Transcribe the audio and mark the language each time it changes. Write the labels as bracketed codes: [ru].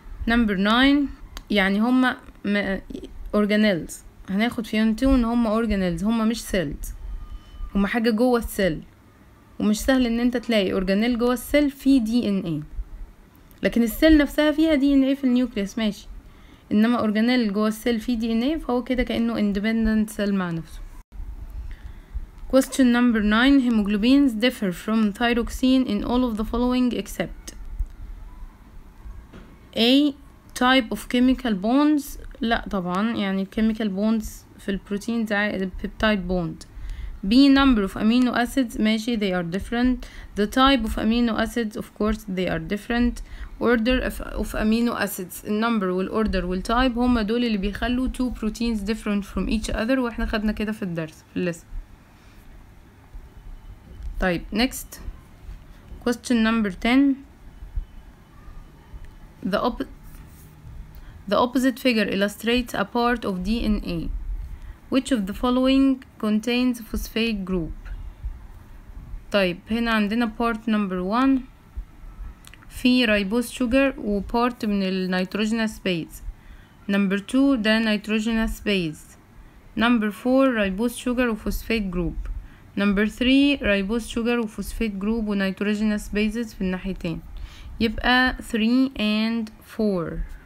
[en] number 9: [ar] يعني هما organelles، هناخد في unit 2 ان هما organelles هما مش cells، هما حاجة جوه السيل ومش سهل ان انت تلاقي اورجانيل جوه السيل فيه دي ان ايه، لكن السيل نفسها فيها دي ان ايه في النيوكليس ماشي، انما اورجانيل جوه السيل فيه دي ان ايه فهو كده كانه اندبندنت سيل مع نفسه. [en] Question number 9. Hemoglobins differ from thyroxine in all of the following except A. Type of chemical bonds. [ar] لا طبعا يعني chemical bonds في البروتين ده peptide bond. [en] B. Number of amino acids. ماشي they are different. The type of amino acids of course they are different. Order of amino acids. [ar] Number والorder والtype هما دول اللي بيخلوا [en] two proteins different from each other، [ar] واحنا خدنا كده في الدرس في اللسن. طيب [en] next question number 10. The opposite figure illustrates a part of DNA. Which of the following contains phosphate group? [ar] طيب هنا عندنا part number 1 في ribose sugar و part من النيتروجينس base. [en] Number 2 ده nitrogenous base. Number 4 ribose sugar و phosphate group. Number 3 ribose sugar و phosphate group و nitrogenous bases [ar] في الناحيتين، يبقى [en] 3 and 4.